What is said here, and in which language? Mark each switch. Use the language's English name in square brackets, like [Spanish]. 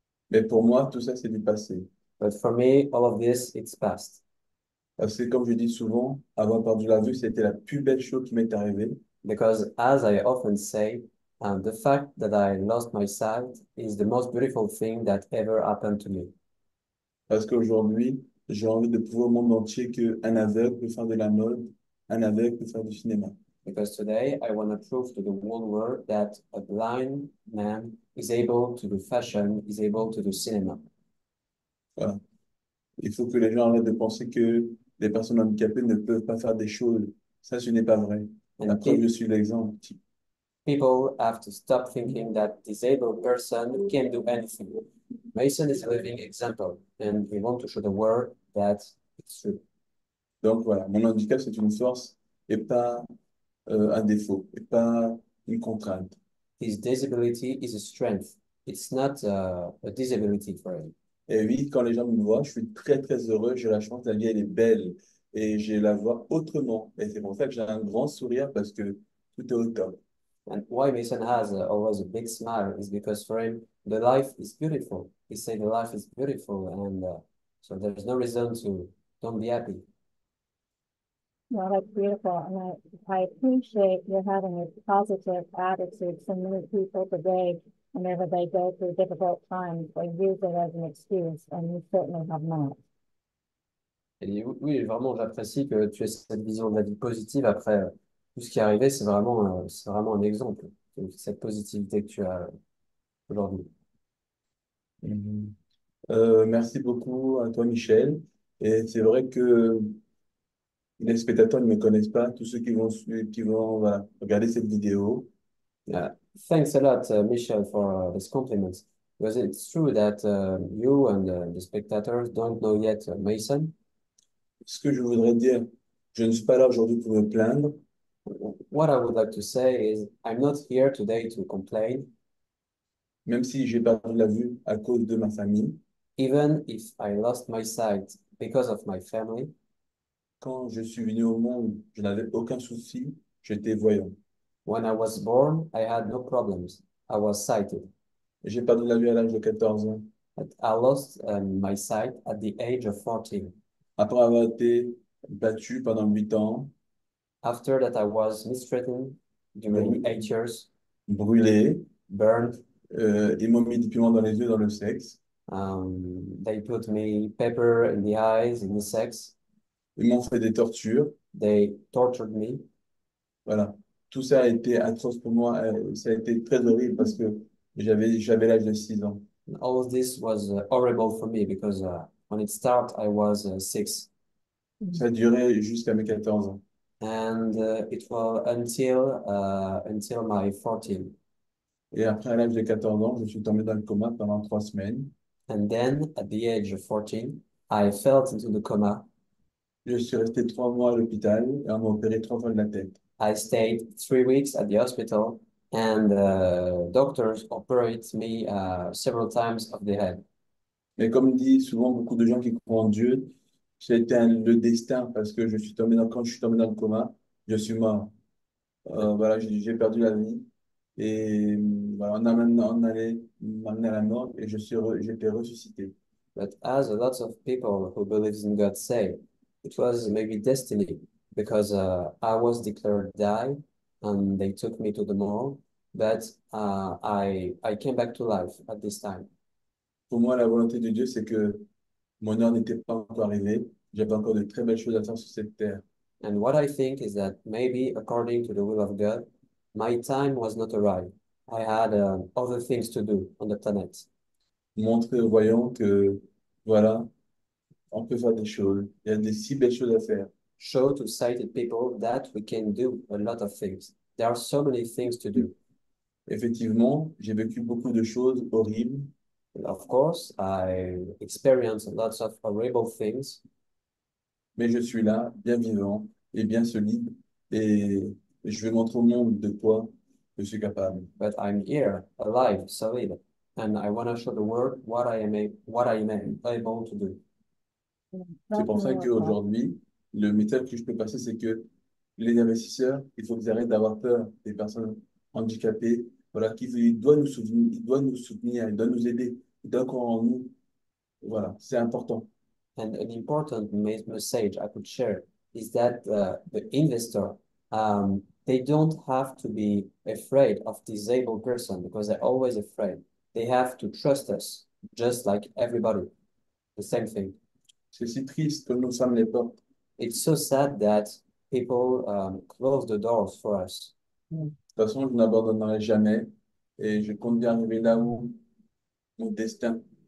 [French] Mais pour moi, tout ça, c'est du passé. [English] But for me, all of this, it's past. [French] Parce que, comme je dis souvent, avoir perdu la vue, c'était la plus belle chose qui m'est arrivée. [English] Because, as I often say, the fact that I lost my sight is the most beautiful thing that ever happened to me. [French] Parce qu'aujourd'hui, j'ai envie de prouver au monde entier qu'un aveugle peut faire de la mode, un aveugle peut faire du cinéma. [English] Because today I want to prove to the whole world that a blind man is able to do fashion, is able to do cinema. [French] Voilà. Il faut que les gens arrêtent de penser que les personnes handicapées ne peuvent pas faire des choses. Ça, ce n'est pas vrai. La [English] And [French] preuve, je suis l'exemple. [English] people have to stop thinking that disabled person can do anything. Mason is a living example, and we want to show the world that it's true. [French] Donc voilà, mon handicap c'est une force et pas un défaut, et pas une contrainte. [English] His disability is a strength. It's not a disability for him. [French] Et oui, quand les gens me voient, je suis très très heureux, j'ai la chance, la vie elle est belle et j'ai la voix autrement. Et c'est pour ça que j'ai un grand sourire parce que tout est au top. [English] And why Mason has always a big smile is because for him, the life is beautiful. He said the life is beautiful, and so there's no reason to don't be happy. Well, that's beautiful. And I appreciate you having a positive attitude to many people today whenever they go through difficult times or use it as an excuse, and you certainly have not. [French] Et oui, vraiment, j'apprécie que tu aies cette vision de la vie positive après tout ce qui est arrivé. C'est vraiment un exemple de cette positivité que tu as aujourd'hui. Merci beaucoup à toi, Michel. Et c'est vrai que les spectateurs ne me connaissent pas, tous ceux qui vont voilà, regarder cette vidéo. [English] Thanks a lot, Michel, for this compliment. Because it's true that you and the spectators don't know yet Mason. [French] Ce que je voudrais dire, je ne suis pas là aujourd'hui pour me plaindre. [English] What I would like to say is, I'm not here today to complain. [French] Même si j'ai perdu la vue à cause de ma famille. [English] Even if I lost my sight because of my family. [French] Quand je suis venu au monde, je n'avais aucun souci, j'étais voyant. [English] When I was born, I had no problems. I was sighted. [French] J'ai perdu la vue à l'âge de 14 ans. [English] But I lost my sight at the age of 14. [French] Après avoir été battu pendant 8 ans, [English] After that, I was mistreated during 8 years, [French] brûlé, [English] burned. [French] ils m'ont mis du piment dans les yeux, dans le sexe. [English] They put me pepper in the eyes, in the sex. [French] Ils m'ont fait des tortures. [English] They tortured me. [French] Voilà. Tout ça a été atroce pour moi. Ça a été très horrible parce que j'avais l'âge de 6 ans. [English] And all of this was horrible for me because when it started, I was 6. [French] Ça a duré jusqu'à mes 14 ans. [English] And it was until my 14. [French] Et après, à l'âge de 14 ans, je suis tombé dans le coma pendant 3 semaines. [English] And then, at the age of 14, I fell into the coma. [French] Je suis resté 3 mois à l'hôpital et on m'a opéré 3 fois de la tête. [English] I stayed 3 weeks at the hospital, and doctors operated me several times of the head. [French] Mais comme dit souvent beaucoup de gens qui croient en Dieu, c'était le destin parce que quand je suis tombé dans le coma, je suis mort. Voilà, j'ai perdu la vie. Et voilà, on allait m'amener à la mort et j'étais ressuscité. [English] But as a lot of people who believe in God say, it was maybe destiny because I was declared dead and they took me to the morgue, but I came back to life at this time. [French] Pour moi, la volonté de Dieu, c'est que mon heure n'était pas encore arrivée. J'avais encore de très belles choses à faire sur cette terre. [English] And what I think is that maybe according to the will of God, my time was not arrived. I had other things to do on the planet. [French] Montrer aux voyants que voilà, on peut faire des choses. Il y a des si belles choses à faire. [English] Show to sighted people that we can do a lot of things. There are so many things to do. [French] Effectivement, j'ai vécu beaucoup de choses horribles. [English] Of course, I experience lots of horrible things. [French] Mais je suis là, bien vivant et bien solide, et je vais montrer au monde de quoi je suis capable. [English] But I'm here, alive, solid, and I want to show the world what I am able to do. [French] C'est pour ça qu'aujourd'hui, le message que je peux passer, c'est que les investisseurs, il faut qu'ils arrêtent d'avoir peur des personnes handicapées. Voilà, qui doit nous soutenir, il doit nous soutenir, il doit nous aider, il doit croire en nous. Voilà, c'est important. [English] And an important message I could share is that the investor, they don't have to be afraid of disabled person because they're always afraid. They have to trust us, just like everybody. The same thing. [French] C'est si triste que nous sommes les portes. [English] It's so sad that people close the doors for us. [French] De toute façon, je n'abandonnerai jamais et je compte bien arriver là où mon destin.